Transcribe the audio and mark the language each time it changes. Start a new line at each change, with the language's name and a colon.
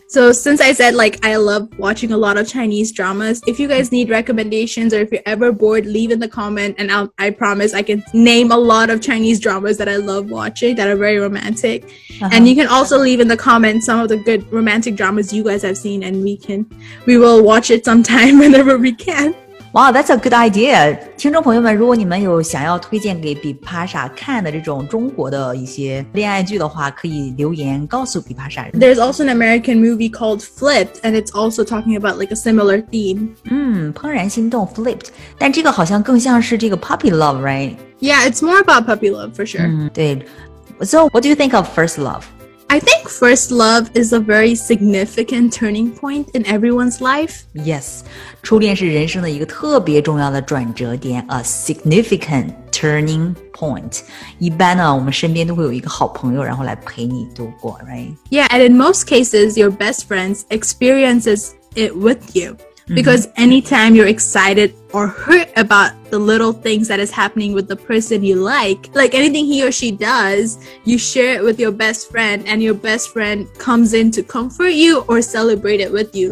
English: So since I said like I love watching a lot of Chinese dramas, if you guys need recommendations or if you're ever bored, leave in the comment and I promise I can name a lot of Chinese dramas that I love watching that are very romantic. And you can also leave in the comment some of the good romantic dramas you guys have seen and we will watch it sometime whenever we can. Wow, that's a good idea.
Chinese: 听众朋友们，如果你们有想要推荐给比帕莎看的这种中国的一些恋爱剧的话，可以留言告诉比帕莎。
English: There's also an American movie called Flipped, and it's also talking about like a similar theme.
Chinese: 怦然心动 Flipped, 但这个好像更像是这个 puppy love, right?
English: Yeah, it's more about puppy love for sure.
Chinese: 对。
English: So, what do you think of first love? I think first love is a very significant turning point in everyone's life.
Chinese: Yes. 初恋是人生的一个特别重要的转折点
English: a significant turning point.
Chinese: 一般呢我们身边都会有一个好朋友然后来陪你度过 right?
English: Yeah, and in most cases, your best friends experiences it with you. Because anytime you're excited or hurt about the little things that is happening with the person you like anything he or she does, you share it with your best friend and your best friend comes in to comfort you or celebrate it with you.